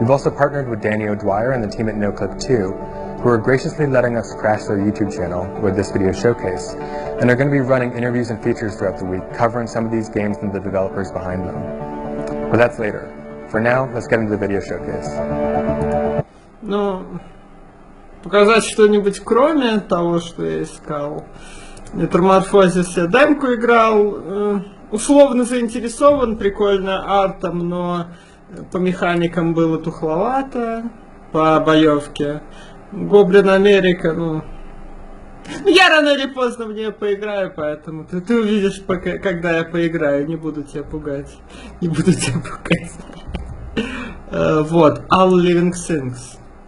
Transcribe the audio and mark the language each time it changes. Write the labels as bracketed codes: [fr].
[en] We've also partnered with Danny O'Dwyer and the team at NoClip2, who are graciously letting us crash their YouTube channel with this video showcase, and are going to be running interviews and features throughout the week, covering some of these games and the developers behind them. But that's later. For now, let's get into the video showcase. [ru] Ну, показать что-нибудь кроме того, что я искал. Метаморфозис я демку играл, условно заинтересован, прикольно артом, но по механикам было тухловато, по боевке. Гоблин Америка, ну, я рано или поздно в нее поиграю, поэтому ты увидишь, пока, когда я поиграю, не буду тебя пугать, не буду тебя пугать. Вот, All Living Things.